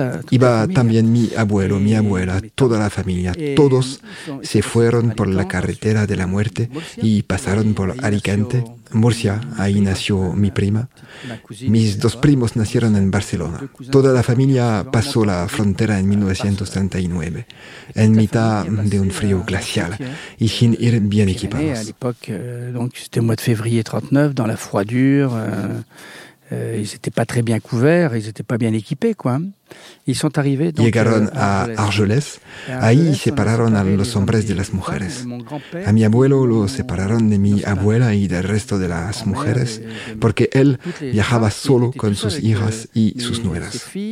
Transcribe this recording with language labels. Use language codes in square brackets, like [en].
[es] Iba también mi abuelo, mi abuela, toda la familia, todos se fueron por la carretera de la muerte y pasaron por Alicante, Murcia, ahí nació mi prima. Mis dos primos nacieron en Barcelona. Toda la familia pasó la frontera en 1939, en mitad de un frío glacial y sin ir bien equipados. [fr] C'était au mois de février 39, dans la froidure. Ils n'étaient pas très bien couverts, ils n'étaient pas bien équipés, quoi. Ils sont arrivés, [es] donc, llegaron a Argelès. Ahí separaron a los hombres de las mujeres. A mi abuelo lo separaron de mi abuela y del resto de las mujeres, porque él viajaba solo con sus hijas y sus nueras.